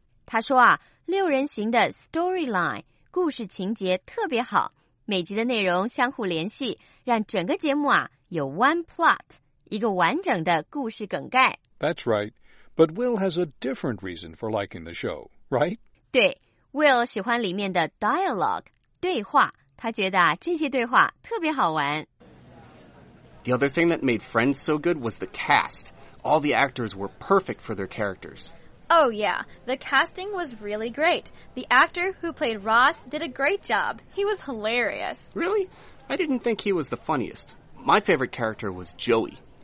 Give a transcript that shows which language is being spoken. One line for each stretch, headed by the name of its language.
Chinese: 她说啊，六人行的 storyline, 故事情节特别好，每集的内容相互联系，让整个节目啊有
English: one plot,
Chinese: 一个完整的故事梗概。
English: That's right. But Will has a different reason for liking the show, right?
Chinese: 对， Will 喜欢里面的 dialogue, 对话。他觉得这些对话特别好玩。
English: The other thing that made Friends so good was the cast. All the actors were perfect for their characters. Oh yeah, the casting was really great. The actor who played Ross did a great job. He was hilarious. Really? I didn't think he was the funniest. My favorite character was Joey.